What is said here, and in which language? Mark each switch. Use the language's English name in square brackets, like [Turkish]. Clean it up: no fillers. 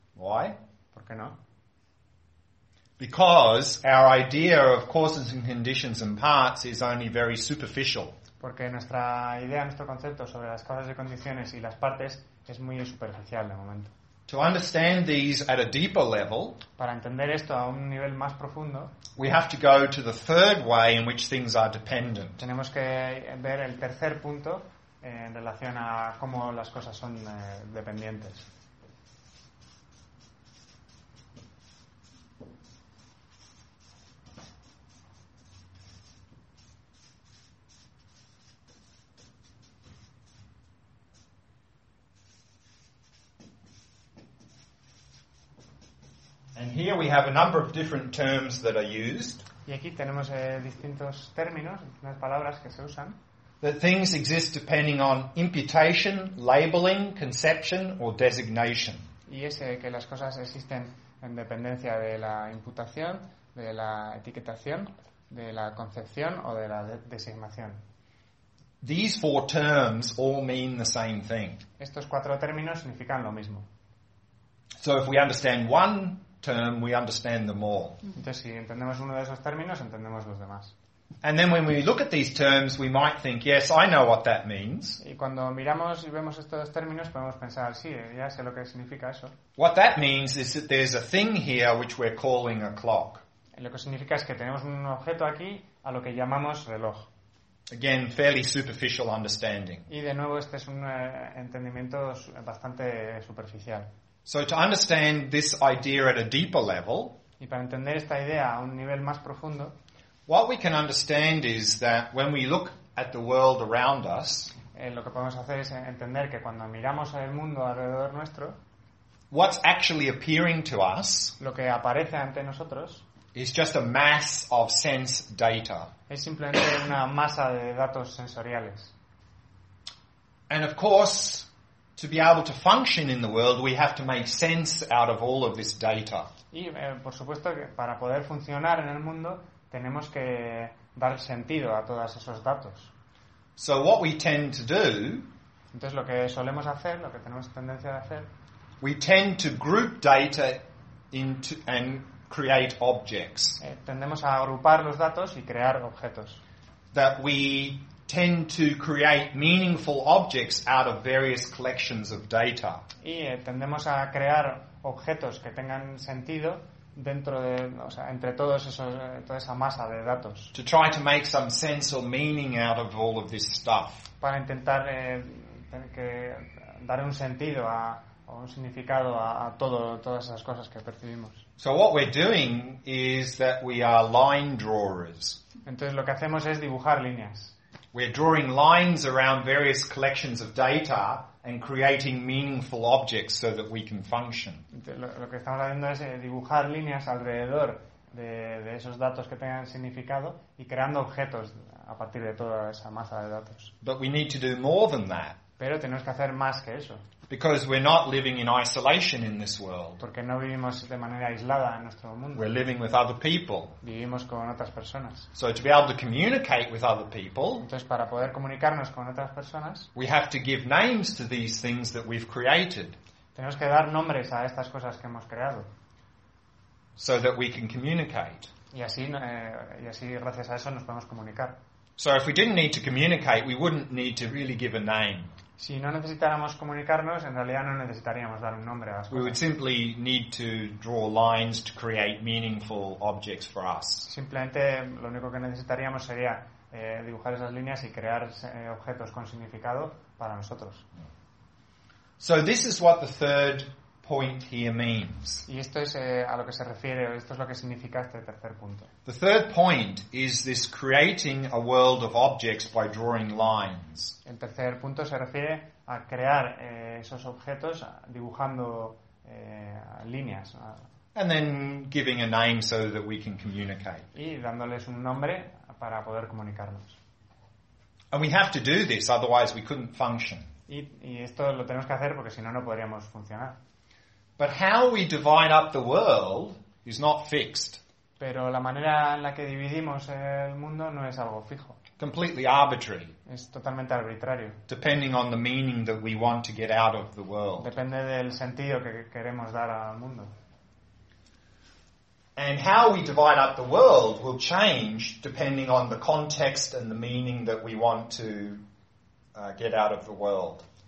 [English] Why? [Spanish] ¿Por qué no? [English] Because our idea of causes and conditions and parts is only very superficial. [Spanish] Porque nuestra idea, nuestro concepto sobre las causas y condiciones y las partes es muy superficial de momento. [English] To understand these at a deeper level, [Spanish] para entender esto a un nivel más profundo, [English] we have to go to the third way in which things are dependent. [Spanish] Tenemos que ver el tercer punto en relación a cómo las cosas son dependientes. [English] And here we have a number of different terms that are used. [Spanish] Y aquí tenemos distintos términos, unas palabras que se usan. [English] That things exist depending on imputation, labeling, conception, or designation. [Spanish] Y es que las cosas existen en dependencia de la imputación, de la etiquetación, de la concepción o de la designación. [English] These four terms all mean the same thing. [Spanish] Estos cuatro términos significan lo mismo. [English] So if we understand one term, we understand them all. [Spanish] Entonces, si entendemos uno de esos términos, entendemos los demás. [English] And then when we look at these terms, we might think, yes, I know what that means. [Spanish] Y cuando miramos y vemos estos términos, podemos pensar, sí, ya sé lo que significa eso. [English] What that means is that there's a thing here which we're calling a clock. [Spanish] Lo que significa es que tenemos un objeto aquí a lo que llamamos reloj. [English] Again, fairly superficial understanding. [Spanish] Y de nuevo, este es un entendimiento bastante superficial. [English] So to understand this idea at a deeper level, [Spanish] y para entender esta idea a un nivel más profundo, [English] what we can understand is that when we look at the world around us, [Spanish] lo que podemos hacer es entender que cuando miramos el mundo alrededor nuestro, [English] what's actually appearing to us, [Spanish] lo que aparece ante nosotros, [English] is just a mass of sense data. [Spanish] Es simplemente una masa de datos sensoriales. [English] And of course, to be able to function in the world, we have to make sense out of all of this data. [Spanish] Y por supuesto que para poder funcionar en el mundo tenemos que dar sentido a todos esos datos. [English] So what we tend to do, [Spanish] entonces lo que solemos hacer, lo que tenemos tendencia de hacer, [English] we tend to group data into and create objects. [Spanish] Tendemos a agrupar los datos y crear objetos. [English] That we tend to create meaningful objects out of various collections of data. [Spanish] Y tendemos a crear objetos que tengan sentido dentro de, o sea, entre todos esos, toda esa masa de datos. [English] To try to make some sense or meaning out of all of this stuff. [Spanish] Para intentar que dar un sentido a o un significado a todo, todas esas cosas que percibimos. [English] So what we're doing is that we are line drawers. [Spanish] Entonces lo que hacemos es dibujar líneas. [English] We're drawing lines around various collections of data and creating meaningful objects so that we can function. [Spanish] Lo que estamos haciendo es dibujar líneas alrededor de esos datos que tengan significado y creando objetos a partir de toda esa masa de datos. [English] But we need to do more than that. [Spanish] Pero tenemos que hacer más que eso. [English] Because we're not living in isolation in this world. [Spanish] Porque no vivimos de manera aislada en nuestro mundo. [English] We're living with other people. [Spanish] Vivimos con otras personas. [English] So to be able to communicate with other people, [Spanish] entonces para poder comunicarnos con otras personas, [English] we have to give names to these things that we've created. [Spanish] Tenemos que dar nombres a estas cosas que hemos creado. [English] So that we can communicate. [Spanish] Y así gracias a eso nos podemos comunicar. [English] So if we didn't need to communicate, we wouldn't need to really give a name. [Spanish] Si no necesitáramos comunicarnos, en realidad no necesitaríamos dar un nombre a las cosas. [English] We would simply need to draw lines to create meaningful objects for us. [Spanish] Simplemente lo único que necesitaríamos sería dibujar esas líneas y crear objetos con significado para nosotros. [English] So this is what the third point here means. [Spanish] Y esto es a lo que se refiere, esto es lo que significa este tercer punto. [English] The third point is this creating a world of objects by drawing lines. [Spanish] El tercer punto se refiere a crear esos objetos dibujando líneas. [English] And then giving a name so that we can communicate. [Spanish] Y dándoles un nombre para poder comunicarnos. [English] And we have to do this, otherwise we couldn't function. [Spanish] Y esto lo tenemos que hacer porque si no, no podríamos funcionar. [English] But how we divide up the world is not fixed. [Spanish] Pero la manera en la que dividimos el mundo no es algo fijo. [English] Completely arbitrary. [Spanish] Es totalmente arbitrario. [English] Depending on the meaning that we want to get out of the world. [Spanish] Depende del sentido que queremos dar al mundo. [English] And how we divide up the world will change depending on the context and the meaning that we want to get out of the world.